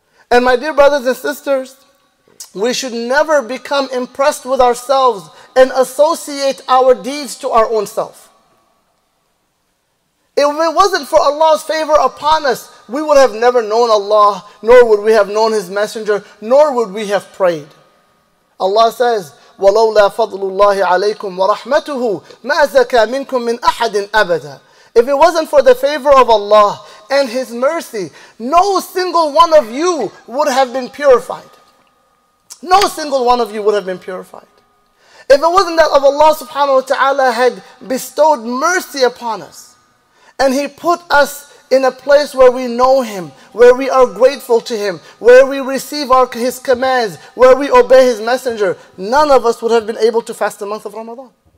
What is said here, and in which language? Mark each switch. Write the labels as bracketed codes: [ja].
[en] And my dear brothers and sisters, we should never become impressed with ourselves and associate our deeds to our own self. If it wasn't for Allah's favor upon us, we would have never known Allah, nor would we have known His Messenger, nor would we have prayed. Allah says, [ar] وَلَوْلَا فَضْلُ اللَّهِ عَلَيْكُمْ وَرَحْمَتُهُ مَا زَكَى مِنْكُمْ مِنْ أَحَدٍ أَبَدًا. [en] If it wasn't for the favor of Allah and His mercy, no single one of you would have been purified. No single one of you would have been purified. If it wasn't that of Allah subhanahu wa ta'ala had bestowed mercy upon us and He put us in a place where we know Him, where we are grateful to Him, where we receive His commands, where we obey His Messenger, none of us would have been able to fast the month of Ramadan.